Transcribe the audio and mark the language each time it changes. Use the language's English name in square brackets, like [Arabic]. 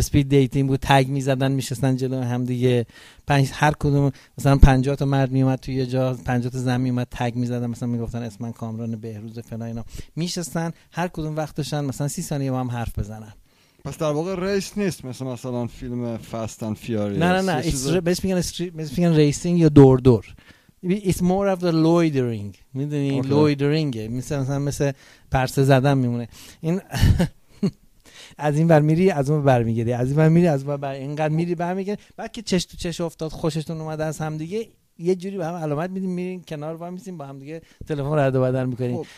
[Persian] سپید دیتینگ بود، تگ میزدن میشستن جلو هم دیگه، هر کدوم مثلا 50 تا مرد میومد توی یه جا، 50 تا زن میومد تگ میزدن، مثلا میگفتن اسم من کامران بهروز فلان اینا، میشستن هر کدوم وقتشن مثلا 30 ثانیه با هم حرف بزنن. پس در واقع ریس نیست، مثلا فیلم فاست اند فیوریس. نه بهش میگن ریسینگ یا دور. [English] It's more of the loitering. [Persian] میدونی okay. loitering مثل پرسه زدن میمونه. این از این بر میری از اون بر میگیری، از این بر میری از اون بر، اینقدر میری بر میگیری، بعد که چش تو چش افتاد، خوششتون اومده از هم دیگه، یه جوری به هم علامت میدین، میرین کنار با هم میسین با هم دیگه تلفن رد و بدل میکنین.